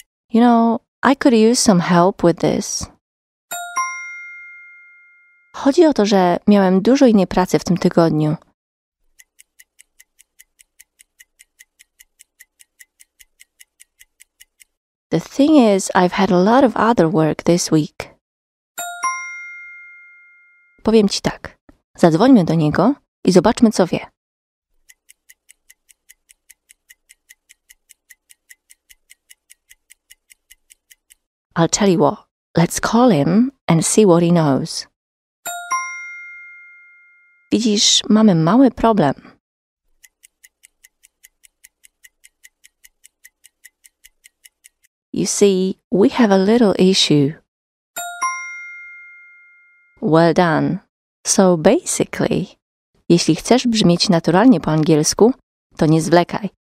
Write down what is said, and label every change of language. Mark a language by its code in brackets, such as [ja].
[en] You know, I could use some help with this. [pl] Chodzi o to, że miałem dużo innej pracy w tym tygodniu. [en] The thing is, I've had a lot of other work this week. [pl] Powiem ci tak. Zadzwońmy do niego i zobaczmy, co wie. [en] I'll tell you what. Let's call him and see what he knows. [pl] Widzisz, mamy mały problem. [en] You see, we have a little issue. Well done. So basically, [pl] jeśli chcesz brzmieć naturalnie po angielsku, to nie zwlekaj.